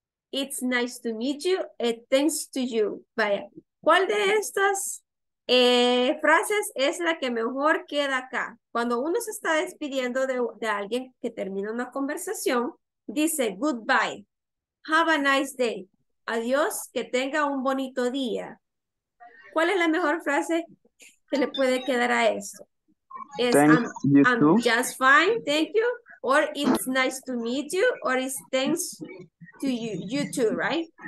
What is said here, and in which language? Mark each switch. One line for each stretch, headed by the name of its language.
English: It's nice to meet you, and thanks to you.
Spanish: Vaya, ¿cuál de estas frases es la que mejor queda acá? Cuando uno se está despidiendo de alguien que termina una conversación, dice,
English: goodbye, have a nice day.
Spanish: Adiós, que tenga un bonito día. ¿Cuál es la mejor frase que le puede quedar a esto?
English: Es, I'm just fine, thank you. Or it's nice to meet you, or it's thanks to you too, right?